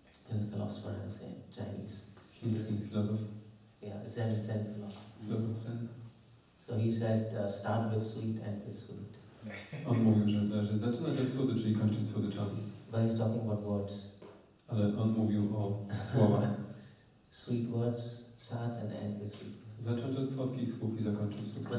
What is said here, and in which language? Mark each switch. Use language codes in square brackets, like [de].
[en] And the philosopher in the Chinese. He's a philosopher. Yeah, Zen philosopher. Philosopher Zen. So he said, start with sweet and with sweet. [pl] On mówił, że zaczyna się słodycz i kończy słodyczami. [en] But he's talking about words. [pl] Ale on mówił o słowach. [en] Sweet words, start and end with sweet. [pl] Zacząć od słodkich słów i zakończyć słodkich.